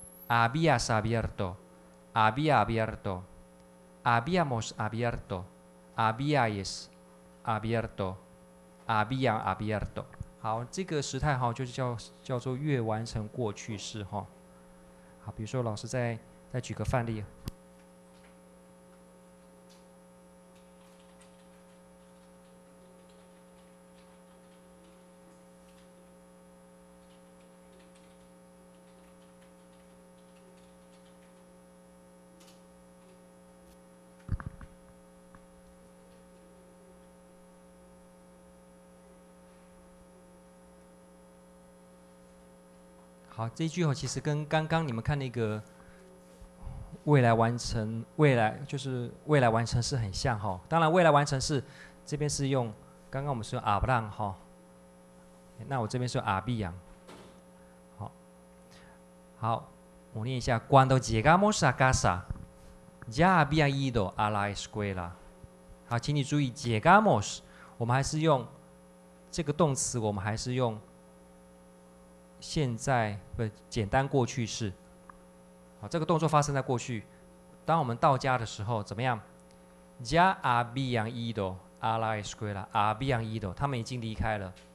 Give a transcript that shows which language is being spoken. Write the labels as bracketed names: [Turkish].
[Spanish] Habías abierto, había abierto, habíamos abierto, habíais abierto, había abierto. [Chinese] 好，这个时态就是 叫做月完成过去式。好，比如说老师 再举个范例。好，这一句其实跟刚刚你们看那个未来完成是很像哈。当然，未来完成是这边是用刚刚我们是用 hablan 哈，那我这边是用 habían。好，好，我念一下 [Spanish] ：Cuando llegamos a casa, ya había ido a la escuela。 [Chinese] 好，请你注意 ，llegamos 我们还是用这个动词，我们还是用。现在不简单过去式，好，这个动作发生在过去。当我们到家的时候，怎么样 ？ [Spanish] Ya habían ido a la escuela. Habían ido， [Chinese] 他们已经离开了。